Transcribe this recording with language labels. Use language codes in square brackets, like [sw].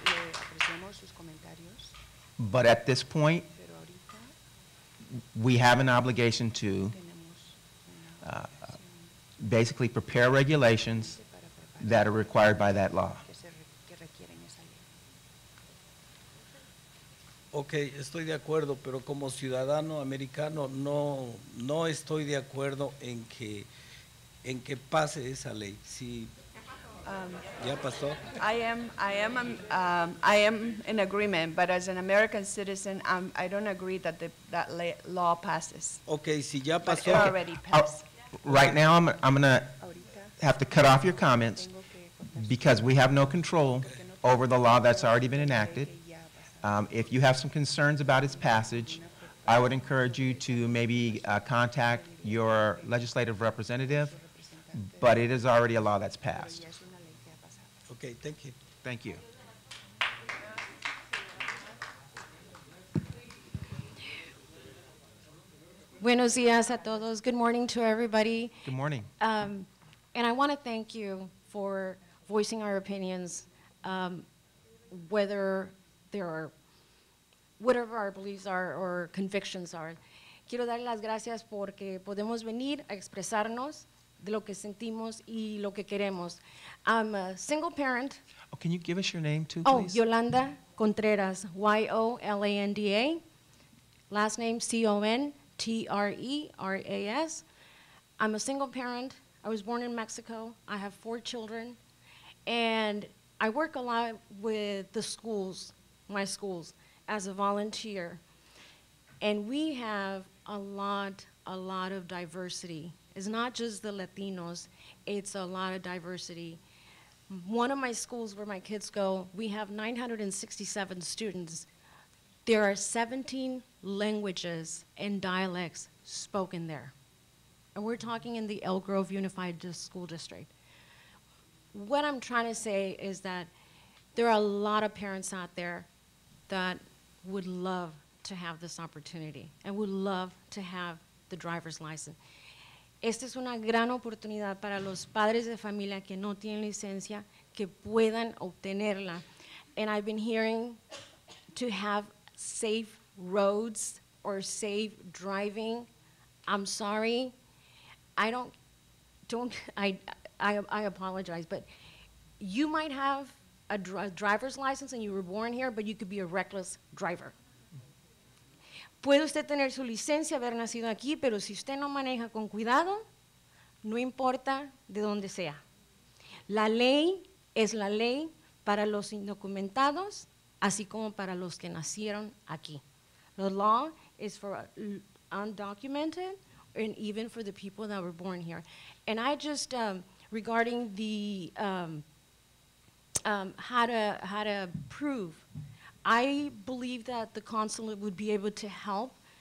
[en] Yes. But at this point, we have an obligation to basically prepare regulations that are required by that law. [es] Okay, estoy de acuerdo, pero como ciudadano americano no estoy de acuerdo en que pase esa ley. Si ya pasó. [en] I am in agreement, but as an American citizen, I don't agree that that law passes. [es] Okay, si ya pasó. [en] But it already passed. Right now, I'm gonna have to cut off your comments because we have no control over the law that's already been enacted. If you have some concerns about its passage, I would encourage you to maybe contact your legislative representative, but it is already a law that's passed. Okay, thank you. Thank you. [es] Buenos dias a todos. [en] Good morning to everybody. Good morning. And I want to thank you for voicing our opinions, whatever our beliefs are or convictions are. [es] Quiero dar las gracias porque podemos venir a expresarnos de lo que sentimos y lo que queremos. [en] I'm a single parent. Oh, can you give us your name too, please? Oh, Yolanda Contreras, Yolanda. Last name, Contreras. I'm a single parent. I was born in Mexico. I have four children. And I work a lot with the schools, my schools, as a volunteer, and we have a lot of diversity. It's not just the Latinos, it's a lot of diversity. One of my schools where my kids go, we have 967 students. There are 17 languages and dialects spoken there. And we're talking in the Elk Grove Unified School District. What I'm trying to say is that there are a lot of parents out there that would love to have this opportunity and would love to have the driver's license. [es] Esta es una gran oportunidad para los padres de familia que no tienen licencia que puedan obtenerla. [en] And I've been hearing to have safe roads or safe driving. I'm sorry. I apologize, but you might have a driver's license and you were born here, but you could be a reckless driver. [es] Puede usted tener su licencia, haber nacido aquí, pero si usted no maneja con cuidado, no importa de dónde sea. La ley es la ley para los indocumentados, así como para los que nacieron aquí. [en] The law is for undocumented and even for the people that were born here. And I just, regarding the how to prove. I believe that the consulate would be able to help.